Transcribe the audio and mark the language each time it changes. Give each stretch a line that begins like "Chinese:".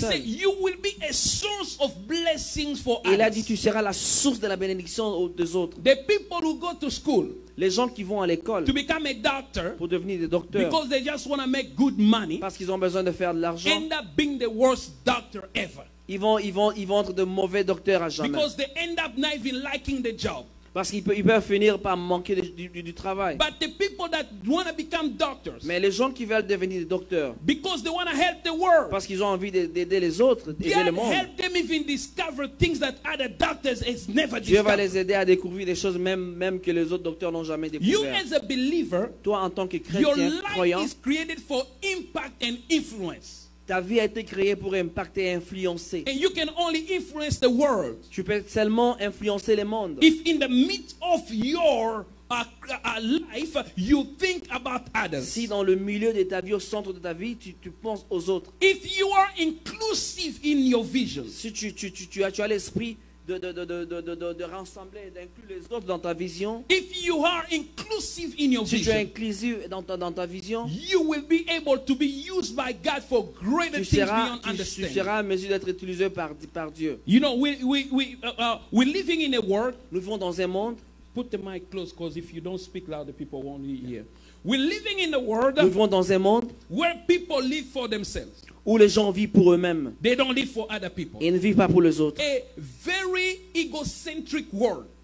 English: He said you will be a source of blessings for others.
French: Il a dit tu seras la source de la bénédiction des autres.
English: The people who go to school.
French: Les gens qui vont à l'école
English: to become a doctor,
French: pour devenir des docteurs
English: because they just want to make good money,
French: parce qu'ils ont besoin de faire de l'argent
English: end up being the worst doctor ever.
French: Ils vont être de mauvais docteurs à jamais
English: because they end up not even liking the job.
French: Parce qu'ils peuvent finir par manquer du travail.
English: But the people that want to become doctors,
French: mais les gens qui veulent devenir des docteurs
English: because they want to help the world,
French: parce qu'ils ont envie d'aider les autres, d'aider
English: God
French: le monde.
English: Help them even discover things that other doctors has never
French: Dieu va les aider à découvrir des choses même que les autres docteurs n'ont jamais découvert.
English: You as a believer,
French: toi en tant que chrétien croyant,
English: is created for impact and influence.
French: Ta vie a été créée pour impacter et influencer.
English: And you can only influence the world.
French: Tu peux seulement influencer le monde.
English: If in the midst of your life you think about others.
French: Si dans le milieu de ta vie, au centre de ta vie, tu penses aux autres.
English: If you are inclusive in your vision.
French: Si tu as l'esprit de rassembler et d'inclure les autres dans ta vision.
English: If you are inclusive in your
French: si tu es inclusif dans ta vision,
English: you will be able to be used by God for greater things beyond understanding.
French: Tu seras à mesure d'être utilisé par Dieu.
English: You know, we're living in a world.
French: Nous vivons dans un monde.
English: Put the mic close, because if you don't speak loud, the people won't hear. Yeah. We're living in a world.
French: Nous vivons dans un monde
English: where people live for themselves.
French: Où les gens vivent pour eux-mêmes.
English: They don't live for other people.
French: Ils ne vivent pas pour les autres.
English: A very egocentric world.